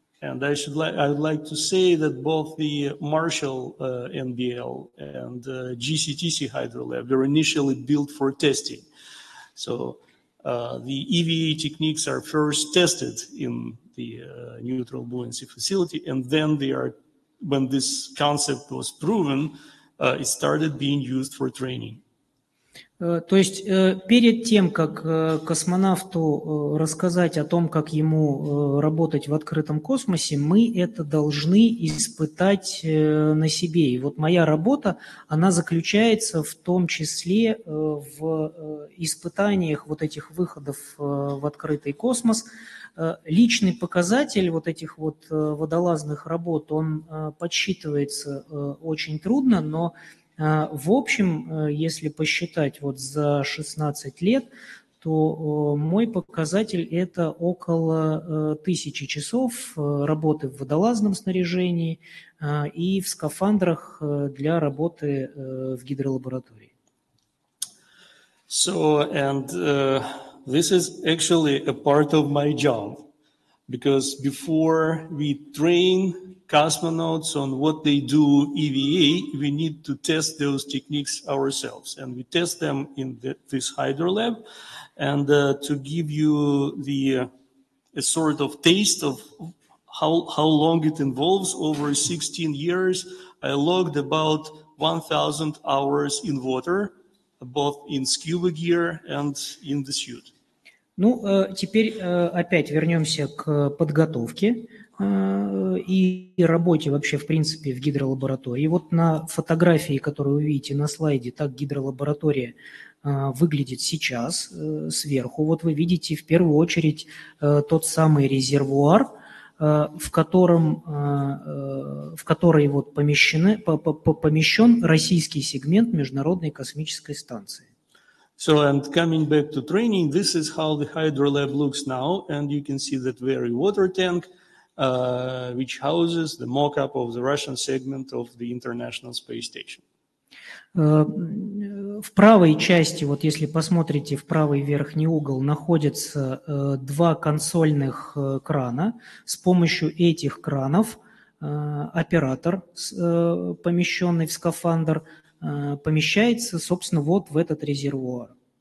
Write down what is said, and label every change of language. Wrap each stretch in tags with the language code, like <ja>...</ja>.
<en>And I would like to say that both the Marshall NBL and GCTC Hydro Lab were initially built for testing. So the EVA techniques are first tested in the neutral buoyancy facility, and then they are, when this concept was proven, it started being used for training.</en> <ru>То есть перед тем, как космонавту рассказать о том, как ему работать в открытом космосе, мы это должны испытать на себе. И вот моя работа, она заключается в том числе в испытаниях вот этих выходов в открытый космос. Личный показатель вот этих вот водолазных работ, он подсчитывается очень трудно, но... В общем, если посчитать вот за 16 лет, то мой показатель – это около 1000 часов работы в водолазном снаряжении и в скафандрах для работы в гидролаборатории.</ru> <en>So, and this is actually a part of my job, because before we train cosmonauts on what they do EVA, we need to test those techniques ourselves, and we test them in this hydro lab. And to give you a sort of taste of how long it involves. Over 16 years, I logged about 1,000 hours in water, both in scuba gear and in the suit.</en> <ru>Ну, теперь опять вернемся к подготовке и работе вообще, в принципе, в гидролаборатории. Вот на фотографии, которую вы видите на слайде, так гидролаборатория выглядит сейчас сверху. Вот вы видите в первую очередь тот самый резервуар, в который вот помещен российский сегмент Международной космической станции.</ru> <en>So, and coming back to training, this is how the HydroLab looks now, and you can see that very water tank, which houses the mock-up of the Russian segment of the International Space Station.</en> <ru>В правой части, вот если посмотрите в правый верхний угол, находятся два консольных крана. С помощью этих кранов оператор, помещенный в скафандр, помещается, собственно, вот в этот резервуар.</ru>